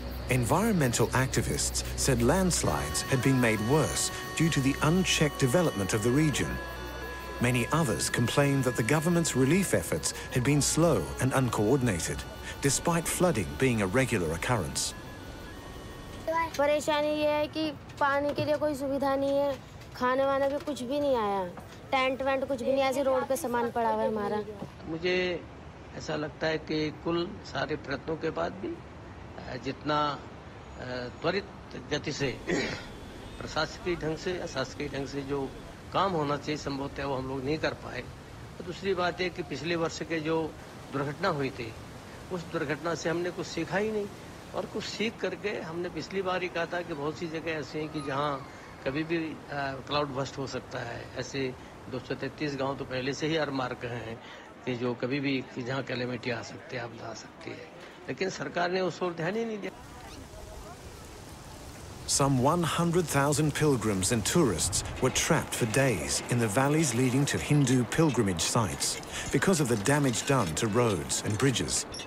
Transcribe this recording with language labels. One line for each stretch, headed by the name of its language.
English: Environmental activists said landslides had been made worse due to the unchecked development of the region. Many others complained that the government's relief efforts had been slow and uncoordinated, despite flooding being a regular occurrence.
Hindi: परेशानी ये है कि पानी के लिए कोई सुविधा नहीं है, खाने वाने भी कुछ भी नहीं आया, टेंट वेंट कुछ भी नहीं ऐसे रोड पे सामान पड़ा हुआ है हमारा। मुझे ऐसा लगता है कि कुल सारे प्रयत्नों के बाद भी जितना त्वरित गति से प्रशासकीय ढंग से जो काम होना चाहिए संभवतः वो हम लोग नहीं कर पाए। दूसरी बात है कि पिछले वर्ष के जो दुर्घटना हुई थी उस दुर्घटना से हमने कुछ सीखा ही नहीं और कुछ सीख करके हमने पिछली बार ही कहा था कि बहुत सी जगह ऐसी हैं कि जहां कभी भी क्लाउड बस्ट हो सकता है। ऐसे 233 गाँव तो पहले से ही अर मार्क हैं कि जो कभी भी जहाँ कैलेमिटी आ सकती है आपदा आ सकती है।
English: Some 100,000 pilgrims and tourists were trapped for days in the valleys leading to Hindu pilgrimage sites because of the damage done to roads and bridges.